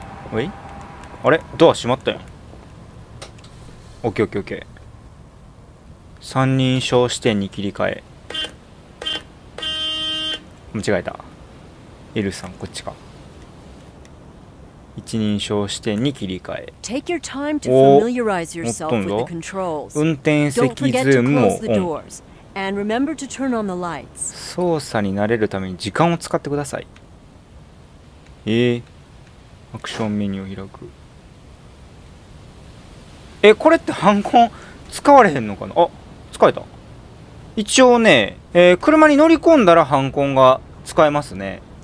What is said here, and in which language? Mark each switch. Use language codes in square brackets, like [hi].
[ja] おい、あれドア閉まったやん。OKOKOK 三人称視点に切り替え、間違えた、 L さんこっちか、一人称視点に切り替え、 [en] Take your time to familiarize yourself with the controls. [ja] 運転席ズームをオン、 [en] And remember to turn on the lights. [ja] 操作に慣れるために時間を使ってください。アクションメニューを開く、これってハンコン使われへんのかな、あ使えた、一応ね、車に乗り込んだらハンコンが使えますね。